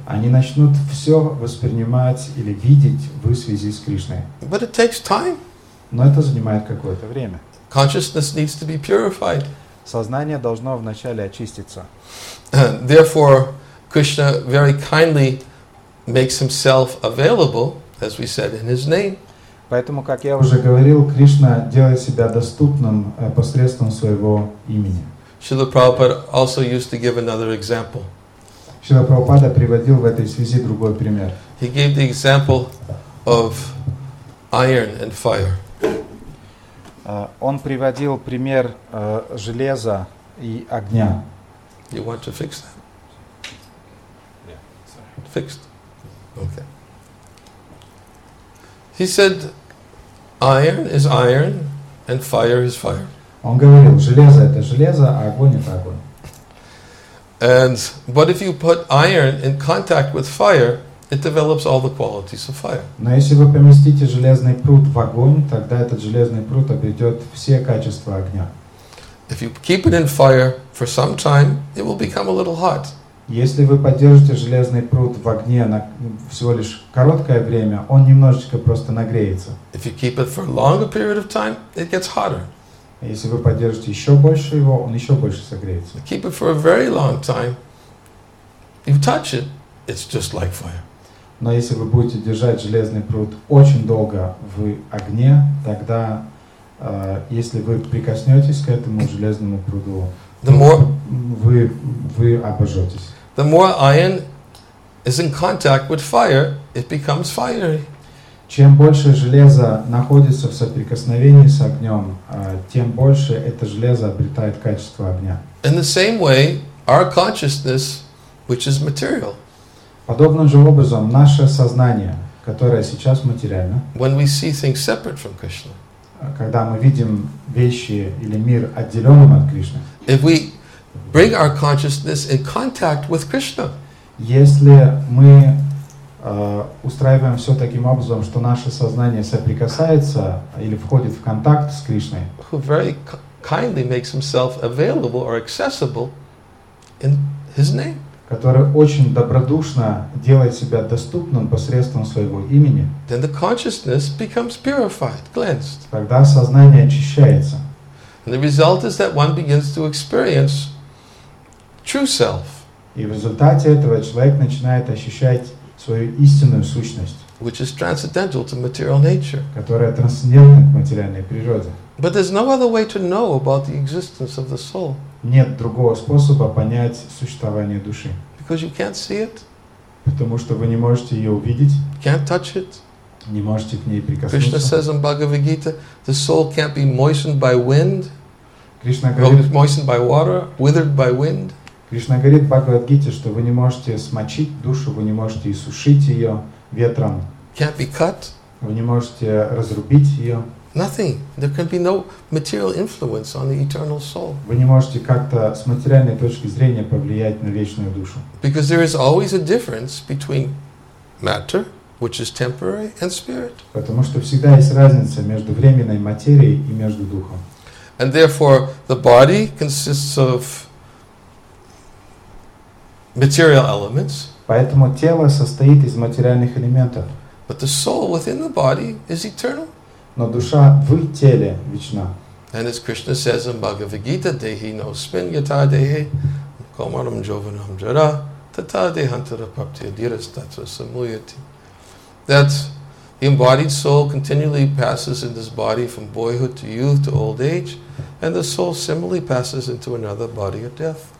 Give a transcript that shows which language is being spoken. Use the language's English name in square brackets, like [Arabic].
[Russian] Они начнут все воспринимать или видеть в связи с Кришной. [English] But it takes time. [Russian] Но это занимает какое-то время. [English] Consciousness needs to be purified. [Russian] Сознание должно вначале очиститься. [English] Therefore, Krishna very kindly makes himself available, as we said, in his name. [Russian] Поэтому, как я уже говорил, Кришна делает себя доступным посредством своего имени. [English] Шрила Прабхупада also used to give another example. [Russian] Шрила Прабхупада приводил в этой связи другой пример. [English] He gave the example of iron and fire. [Russian] Он приводил пример железа и огня. [English] You want to fix that? Yeah, sorry. Fixed. Okay. He said, iron is iron, and fire is fire. [Russian] Он говорил, железо это железо, а огонь это огонь. [English] And but if you put iron in contact with fire, it develops all the qualities of fire. [Russian] Но если вы поместите железный прут в огонь, тогда этот железный прут обретет все качества огня. [English] If you keep it in fire for some time, it will become a little hot. [Russian] Если вы поддержите железный прут в огне на всего лишь короткое время, он немножечко просто нагреется. [English] If you keep it for a longer period of time, it gets hotter. [Russian] Если вы поддержите еще больше его, он еще больше согреется. [English] Keep it for a very long time. You touch it, it's just like fire. [Russian] Но если вы будете держать железный прут очень долго в огне, тогда, если вы прикоснетесь к этому железному пруду, вы обожжетесь. [English] The more iron is in contact with fire, it becomes fiery. [Russian] Чем больше железа находится в соприкосновении с огнем, тем больше это железо обретает качество огня. [English] In the same way, our consciousness, which is material, [Russian] подобным же образом, наше сознание, которое сейчас материально, [English] when we see things separate from Krishna, [Russian] когда мы видим вещи или мир отделенным от Кришны, [English] if we bring our consciousness in contact with Krishna, [Russian] если мы устраиваем все таким образом, что наше сознание соприкасается или входит в контакт с Кришной, [English] who very kindly makes himself available or accessible in his name, [Russian] который очень добродушно делает себя доступным посредством своего имени, [English] then the consciousness becomes purified, cleansed. [Russian] Тогда сознание очищается. [English] And the result is that one begins to experience true self. [Russian] И в результате этого человек начинает ощущать свою истинную сущность, [English] which is transcendental to material nature, [Russian] которая трансцендентна к материальной природе. [English] But there's no other way to know about the existence of the soul. [Russian] Нет другого способа понять существование души. [English] Because you can't see it. [Russian] Потому что вы не можете ее увидеть. [English] Can't touch it. [Russian] Не можете к ней прикоснуться. [English] Krishna says in Bhagavad Gita, the soul can't be moistened by wind. [Russian] Krishna говорит, [English] moistened by water, withered by wind. [Russian] Krishna говорит в Бхагавад Гите, что вы не можете смочить душу, вы не можете иссушить ее ветром. [English] Can't be cut. [Russian] Вы не можете разрубить ее. [English] Nothing. There can be no material influence on the eternal soul. [Russian] Вы не можете как-то с материальной точки зрения повлиять на вечную душу. [English] Because there is always a difference between matter, which is temporary, and spirit. [Russian] Потому что всегда есть разница между временной материей и между духом. [English] And therefore, the body consists of material elements. [Russian] Поэтому тело состоит из материальных элементов. [English] But the soul within the body is eternal. [Russian] Но душа в теле вечна. [English] And as Krishna says in Bhagavad Gita, [Sanskrit] dehi no smin yata dehi komaram jovanam jara tata dehantara papti adiras tatva samuyati, [English] that the embodied soul continually passes in this body from boyhood to youth to old age, and the soul similarly passes into another body at death.